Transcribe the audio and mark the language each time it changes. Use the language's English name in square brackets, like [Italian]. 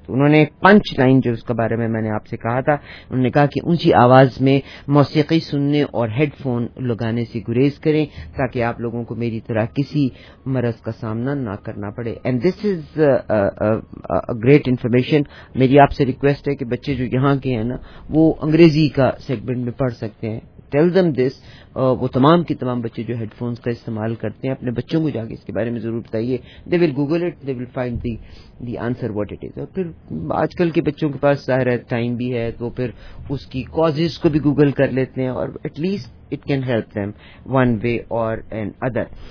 [Urdu] تو انہوں نے پنچ لائن جو اس کے بارے میں نے آپ سے کہا تھا, انہوں نے کہا کہ اونچی آواز میں موسیقی سننے اور ہیڈ فون لگانے سے گریز کریں تاکہ آپ لوگوں کو میری طرح کسی مرض کا سامنا نہ کرنا پڑے. [English] And this is great information. [Urdu] میری آپ سے ریکویسٹ ہے کہ بچے جو یہاں کے ہیں نا وہ انگریزی کا سیگمنٹ میں پڑھ سکتے ہیں. [English] tell them this, [Urdu] وہ تمام کے تمام بچے جو ہیڈ فونز کا استعمال کرتے ہیں اپنے بچوں کو جا کے اس کے بارے میں ضرور بتائیے. [English] They will Google it, they will find the answer what it is. [Urdu] اور پھر آج کل کے بچوں کے پاس ظاہر ہے ٹائم بھی ہے تو پھر اس کی کازز کو بھی گوگل کر لیتے ہیں اور [English] at least it can help them one way [Urdu] اور این ادر.